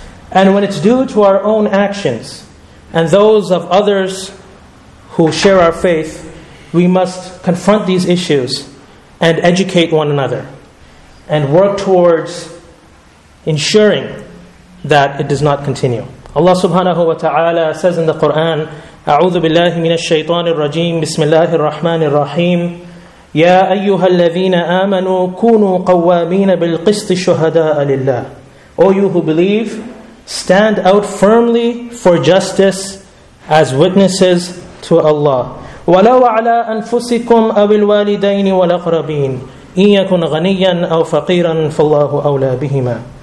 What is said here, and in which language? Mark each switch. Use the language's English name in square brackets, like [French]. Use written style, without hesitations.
[English] And when it's due to our own actions and those of others who share our faith, we must confront these issues and educate one another and work towards ensuring that it does not continue. Allah subhanahu wa ta'ala says in the Quran, [Arabic] أعوذ بالله من الشيطان الرجيم بسم الله الرحمن الرحيم يا أيها الذين آمنوا كونوا قوامين بالقسط شهداء لله. [English] O you who believe, stand out firmly for justice as witnesses to Allah. [Arabic] وَلَوْ عَلَىٰ أَنفُسِكُمْ أَوِ الْوَالِدَيْنِ وَالْأَقْرَبِينَ إِنْ يَكُنْ غَنِيًّا أَوْ فَقِيرًا فَاللَّهُ أَوْلَىٰ بِهِمَا.